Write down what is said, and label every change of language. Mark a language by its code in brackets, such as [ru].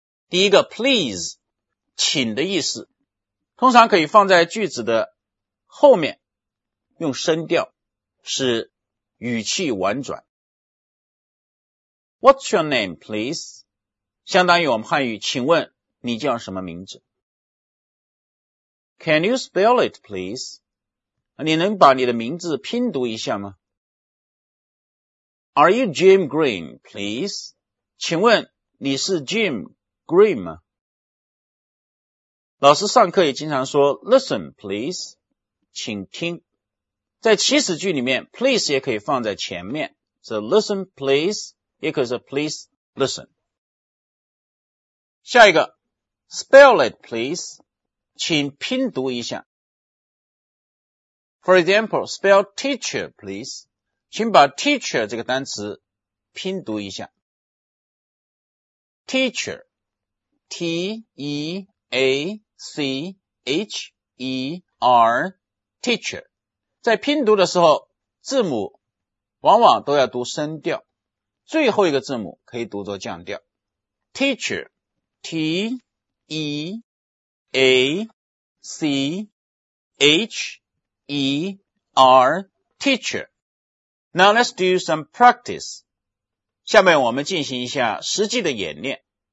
[zh] 第一个 please, 请的意思通常可以放在句子的后面用声调使语气婉转。 [en] What's your name, please? [zh] 相当于我们汉语请问你叫什么名字。 [en] Can you spell it, please? [zh] 你能把你的名字拼读一下吗？ [en] Are you Jim Green, please? [zh] 请问你是 Jim Green 吗？老师上课也经常说 [en] Listen, please, [zh] 请听。在祈使句里面 please 也可以放在前面 [en] So listen, please, [zh] 也可以说 please listen。下一个 spell it please 请拼读一下。 [en] For example, spell teacher please [zh] 请把 teacher 这个单词拼读一下。 teacher T-E-A-C-H-E-R teacher 在拼读的时候字母往往都要读声调，最后一个字母可以读作降调。 [en] Teacher, T-E-A-C-H-E-R, teacher. Now let's do some practice. [zh] 下面我们进行一下实际的演练。